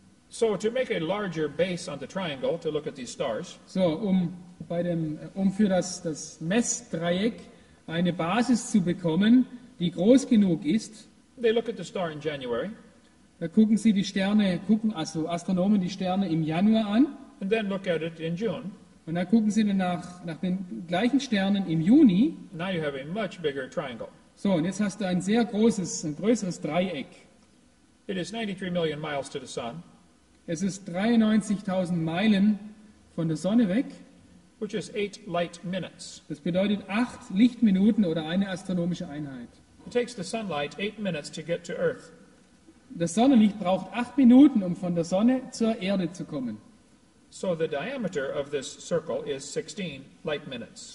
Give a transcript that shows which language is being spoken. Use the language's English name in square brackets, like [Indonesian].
[English] So to make a larger base on the triangle to look at these stars. [German] So für das Messdreieck eine Basis zu bekommen, die groß genug ist. [English] They look at the star in January. [German] Da gucken Sie die Sterne, gucken also Astronomen die Sterne im Januar an. [English] And then look at it in June. [German] Und dann gucken Sie nach den gleichen Sternen im Juni. [English] Now you have a much bigger triangle. [German] So, und jetzt hast du ein sehr großes, ein größeres Dreieck. [English] It is 93 million miles to the sun. [German] Es ist 93.000 Meilen von der Sonne weg. [English] Which is 8 light minutes. [German] Das bedeutet 8 Lichtminuten oder eine astronomische Einheit. [English] It takes the sunlight 8 minutes to get to Earth. [German] Das Sonnenlicht braucht 8 Minuten, um von der Sonne zur Erde zu kommen. [English] So the diameter of this circle is 16 light minutes.